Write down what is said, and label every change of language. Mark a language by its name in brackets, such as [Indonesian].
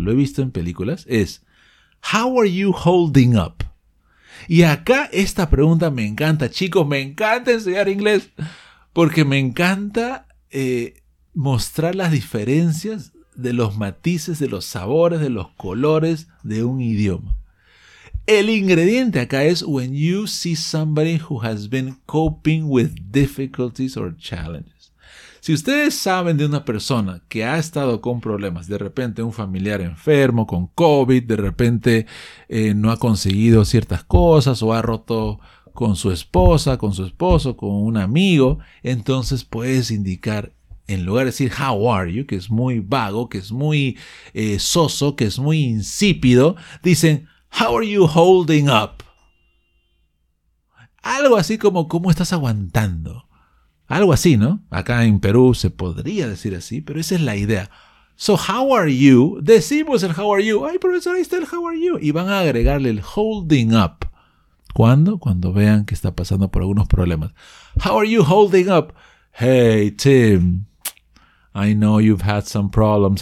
[Spanish] Lo he visto en películas. Es, [English] how are you holding up? [Spanish] Y acá esta pregunta me encanta. Chicos, me encanta enseñar inglés. Porque me encanta mostrar las diferencias de los matices, de los sabores, de los colores de un idioma. El ingrediente acá es, [English] when you see somebody who has been coping with difficulties or challenges. [Spanish] Si ustedes saben de una persona que ha estado con problemas, de repente un familiar enfermo con COVID, de repente no ha conseguido ciertas cosas o ha roto con su esposa, con su esposo, con un amigo, entonces puedes indicar, en lugar de decir [English] how are you, [Spanish] que es muy vago, que es muy soso, que es muy insípido, dicen [English] how are you holding up. [Spanish] Algo así como cómo estás aguantando. Algo así, ¿no? Acá en Perú se podría decir así, pero esa es la idea. [English] So, how are you? [Spanish] Decimos el [English] how are you. [Spanish] Ay, profesor, ahí está el [English] how are you. [Spanish] Y van a agregarle el [English] holding up. [Spanish] ¿Cuándo? Cuando vean que está pasando por algunos problemas. [English] How are you holding up? Hey, Tim, I know you've had some problems.